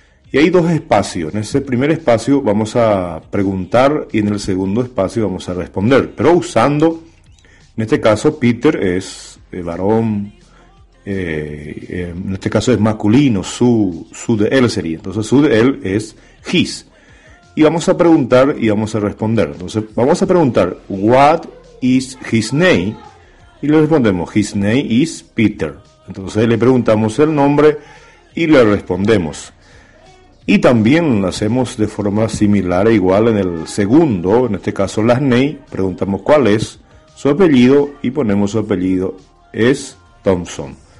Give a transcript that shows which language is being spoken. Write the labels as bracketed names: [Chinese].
[Spanish] Y hay dos espacios. En ese primer espacio vamos a preguntar y en el segundo espacio vamos a responder. Pero usando, en este caso, Peter es varón, en este caso es masculino, su de él sería. Entonces su de él es his. Y vamos a preguntar y vamos a responder. Entonces vamos a preguntar, [English] what is his name? [Spanish] Y le respondemos, [English] his name is Peter. [Spanish] Entonces le preguntamos el nombre y le respondemos. Y también lo hacemos de forma similar e igual en el segundo, en este caso las Ney, preguntamos cuál es su apellido y ponemos su apellido, es Thompson.